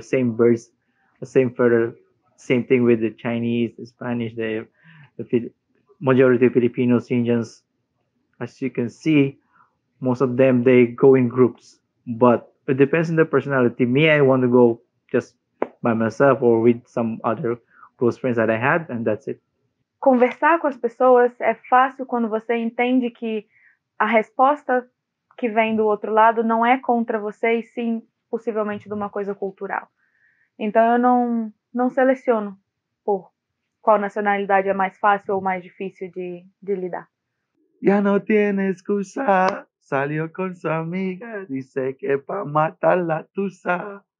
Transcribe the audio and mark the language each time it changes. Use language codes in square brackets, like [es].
[en] Same birds, same feather, same thing with the Chinese, the Spanish, the majority of Filipinos, Indians. As you can see, most of them, they go in groups. But it depends on the personality. Me, I want to go just by myself or with some other close friends that I had, and that's it. [pt] Conversar com as pessoas é fácil quando você entende que a resposta que vem do outro lado não é contra você, e sim, possivelmente, de uma coisa cultural. Então, eu não seleciono por qual nacionalidade é mais fácil ou mais difícil de lidar. [es] Ya no tiene excusa, salió con su amiga, dice que pa matar la tusa.